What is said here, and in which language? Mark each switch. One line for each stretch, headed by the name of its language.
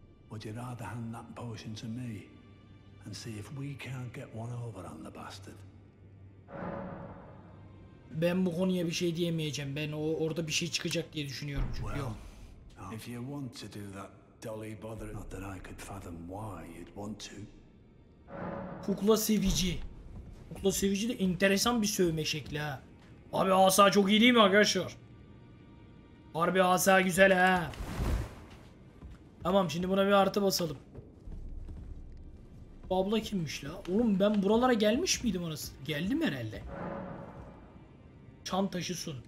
English: Would you rather hand that potion to me and see if we can't get one over on the bastard?
Turkish: Ben bu konuya bir şey diyemeyeceğim. Ben o orada bir şey çıkacak diye düşünüyorum çünkü.
English: Well, if you want to do that, Dolly bother. Not that I could fathom why you'd want to.
Turkish: Kukla sevici. Kukla sevici de enteresan bir sövme şekli ha. Abi asa çok iyi değil mi arkadaşlar? Harbi asa güzel ha. Tamam şimdi buna bir artı basalım. Bu abla kimmiş la? Oğlum ben buralara gelmiş miydim orası? Geldim herhalde. Çantaşı sun.